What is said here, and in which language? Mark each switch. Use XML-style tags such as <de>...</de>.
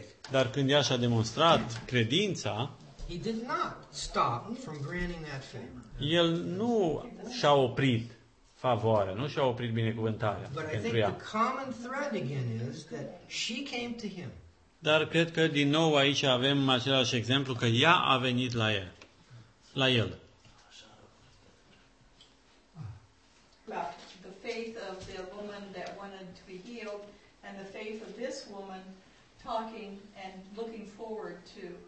<ro>Dar când ea și-a demonstrat credința,</ro> <en>he did not stop from granting that favor.</en> <ro>El nu și-a oprit favoarea, nu și-a oprit binecuvântarea pentru ea.</ro> <en>The common thread again is that she came to him.</en> <ro>Dar cred că din nou aici avem același exemplu că ea a venit la el. La el.</ro> <en>The faith of the woman that wanted to be healed and the faith of this woman talking and looking forward to</en>